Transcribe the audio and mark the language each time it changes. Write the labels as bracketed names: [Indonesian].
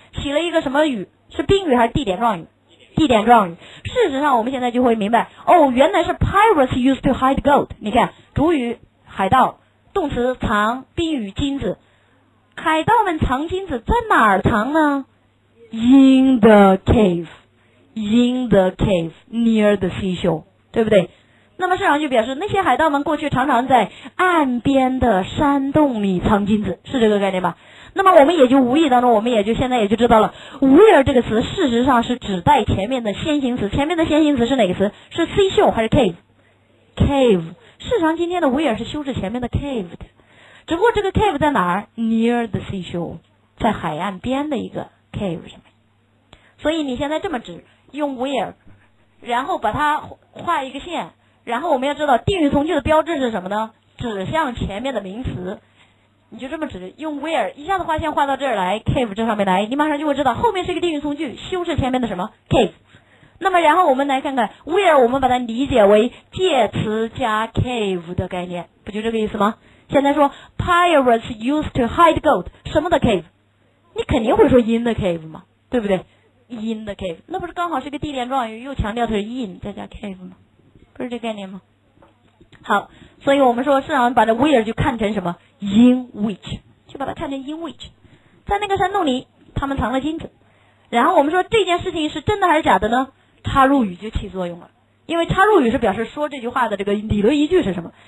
[Chinese] 起了一个什么语？是宾语还是地点状语？地点状语。事实上我们现在就会明白，哦，原来是 [English] pirates used to hide gold。 [Chinese] 你看，主语海盗，动词藏，宾语金子。海盗们藏金子在哪儿藏呢？ [English] In the cave， in the cave near the seashore， [Chinese] 对不对？那么市场就表示那些海盗们过去常常在岸边的山洞里藏金子，是这个概念吧？那么我们也就无意当中，我们也就现在也就知道了 where 这个词事实上是指代前面的先行词。前面的先行词是哪个词？是 seashore 还是 cave？ [English] cave。 [Chinese] 事实上今天的 where 是修饰前面的 cave 的，只不过这个 cave 在哪儿？ [English] near the seashore， [Chinese] 在海岸边的一个 cave 上面。所以你现在这么指，用 where， 然后把它画一个线，然后我们要知道定语从句的标志是什么呢？指向前面的名词。你就这么指，用 where 一下子画线画到这儿来， cave 这上面来，你马上就会知道后面是一个定语从句，修饰前面的什么 cave。那么然后我们来看看 where， 我们把它理解为介词加 cave 的概念，不就这个意思吗？现在说 [English] pirates used to hide gold [Chinese] 什么的 cave， 你肯定会说 [English] in the cave [Chinese] 嘛，对不对？ [English] in the cave [Chinese] 那不是刚好是个地点状语，又强调它是 in 再加 cave 吗？不是这概念吗？好，所以我们说市场把这 where 就看成什么 [English] in which， [Chinese] 就把它看成 in which， 在那个山洞里他们藏了金子。然后我们说这件事情是真的还是假的呢？插入语就起作用了，因为插入语是表示说这句话的这个理论依据是什么。